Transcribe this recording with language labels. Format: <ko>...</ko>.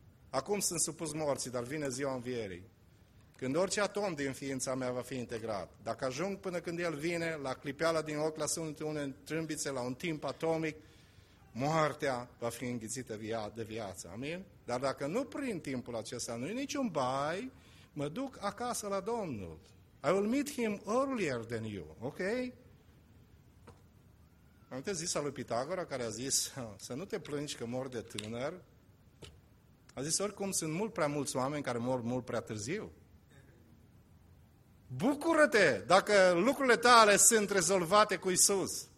<ro>Acum sunt supus morții, dar vine ziua învierii. Când orice atom din ființa mea va fi integrat, dacă ajung până când el vine, la clipeala din ochi, la sunetele în trâmbițe, la un timp atomic, moartea va fi înghițită de viață, amin? Dar dacă nu prin timpul acesta, nu-i niciun bai, mă duc acasă la Domnul.</ro> <en>I will meet him earlier than you, ok?</en> <ro>Am te zis al lui Pitagora, care a zis, să nu te plângi că mor de tânăr. A zis, oricum sunt mult prea mulți oameni care mor mult prea târziu. Bucură-te dacă lucrurile tale sunt rezolvate cu Iisus.</ro>